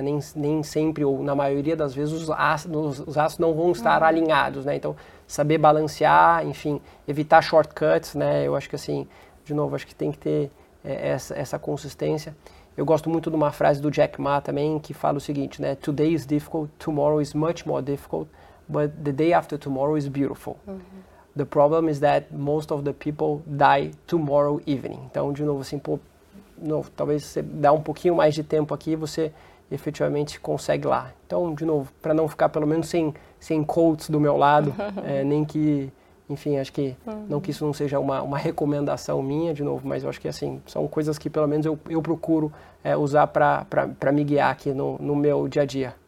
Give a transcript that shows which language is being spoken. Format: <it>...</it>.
<pt>Nem sempre, ou na maioria das vezes, os astros não vão estar alinhados, né? Então, saber balancear, enfim, evitar shortcuts, né? Eu acho que, assim, de novo, acho que tem que ter essa consistência. Eu gosto muito de uma frase do Jack Ma também, que fala o seguinte, né?</pt> <en>Today is difficult, tomorrow is much more difficult, but the day after tomorrow is beautiful. The problem is that most of the people die tomorrow evening.</en> <pt>Então, de novo, assim, pô, novo, talvez você dá um pouquinho mais de tempo aqui, você efetivamente consegue lá. Então, de novo, para não ficar pelo menos sem coach do meu lado, nem que, enfim, acho que não que isso não seja uma recomendação minha, de novo, mas eu acho que, assim, são coisas que pelo menos eu procuro usar para me guiar aqui no meu dia a dia.</pt>